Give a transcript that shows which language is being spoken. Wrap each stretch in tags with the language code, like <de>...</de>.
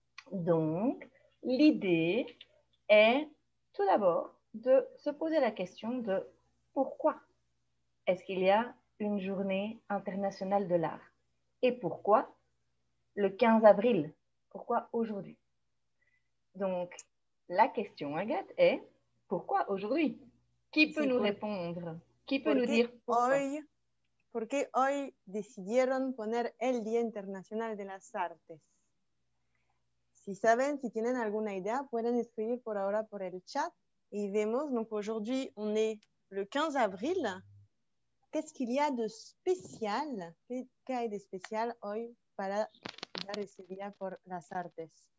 <fr>Donc, l'idée est tout d'abord de se poser la question de pourquoi est-ce qu'il y a une journée internationale de l'art? Et pourquoi le 15 avril? Pourquoi aujourd'hui? Donc, la question, Agathe, est pourquoi aujourd'hui? Qui peut nous répondre? Qui peut nous dire pourquoi?</fr> <es>Por qué hoy decidieron poner el Día Internacional de las Artes? Si saben, si tienen alguna idea, pueden escribir por ahora por el chat Y vemos,</es> <fr>donc aujourd'hui, on est le 15 avril. Qu'est-ce qu'il y a de spécial?</fr> <es>¿Qué hay de spécial hoy para dar ese día por las artes?</es>